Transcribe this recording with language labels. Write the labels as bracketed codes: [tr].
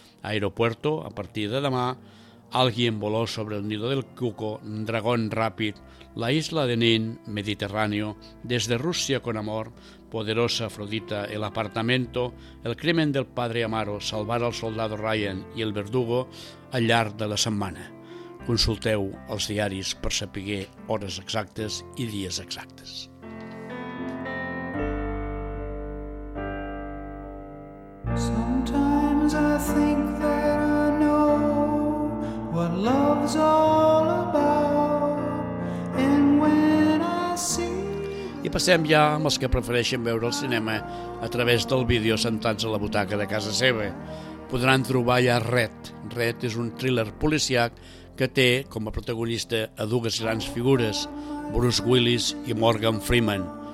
[ca] Aeropuerto, a partir de demà, alguien voló sobre el nido del cuco, dragón ràpid, La isla de Nin, Mediterráneo, des de Rússia con amor, poderosa Afrodita, El apartamento, El crimen del padre Amaro, Salvar el soldado Ryan i El verdugo, al llarg de la setmana. Consulteu els diaris per saber hores exactes i dies exactes. [en] Sometimes I think that I know what love's all about. And when I see... [ca] I passem ja amb els que prefereixen veure el cinema a través del vídeo sentats a la butaca de casa seva. Podran trobar ja Red. Red és un thriller policiac que té com a protagonista a dues grans figures, Bruce Willis i Morgan Freeman.